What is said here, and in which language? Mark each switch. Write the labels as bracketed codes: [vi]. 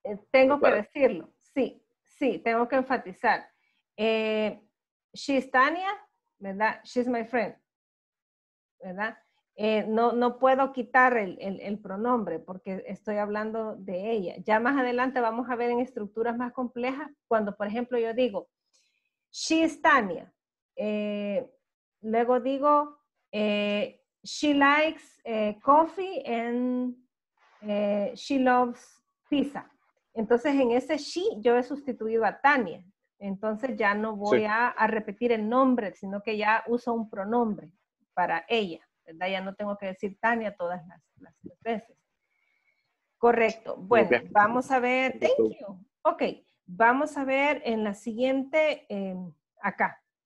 [es] Tengo que decirlo, sí, tengo que enfatizar, [en] she's Tania, [es] ¿verdad? [en] She's my friend, [es] ¿verdad? No puedo quitar el pronombre porque estoy hablando de ella. Ya más adelante vamos a ver en estructuras más complejas cuando, por ejemplo, yo digo, [en] she is Tania. [es] Luego digo, [en] she likes coffee and she loves pizza. [es] Entonces, en ese she, yo he sustituido a Tania. Entonces, ya no voy a repetir el nombre, sino que ya uso un pronombre para ella. ¿Verdad? Ya no tengo que decir Tania todas las veces. Correcto. Bueno, vamos a ver. [en] Thank you. [es] Ok. Vamos a ver en la siguiente, acá.